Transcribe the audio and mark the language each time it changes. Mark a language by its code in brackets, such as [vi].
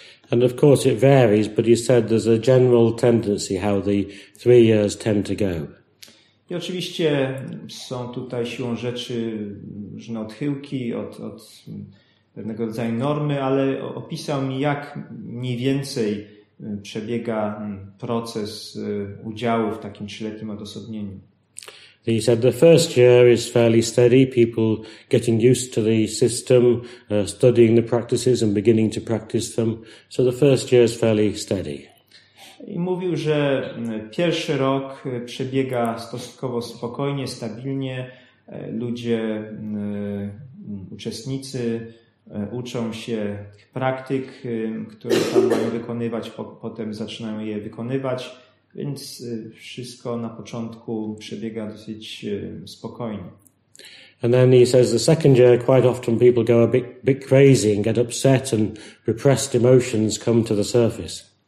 [en] And of course it varies, but you said there's a general tendency how the 3 years tend to go. [pl] I oczywiście są tutaj siłą rzeczy różne odchyłki od pewnego rodzaju normy, ale opisał mi, jak mniej więcej przebiega proces udziału w takim 3-letnim odosobnieniu. [en] He said the first year is fairly steady, people getting used to the system, studying the practices and beginning to practice them. So the first year is fairly steady. [pl] I mówił, że pierwszy rok przebiega stosunkowo spokojnie, stabilnie. Ludzie, uczestnicy uczą się praktyk, które tam mają wykonywać, potem zaczynają je wykonywać, więc wszystko na początku przebiega dosyć spokojnie. [en] And then he says the second year, quite often people go a bit crazy and get upset, and repressed emotions come to the surface.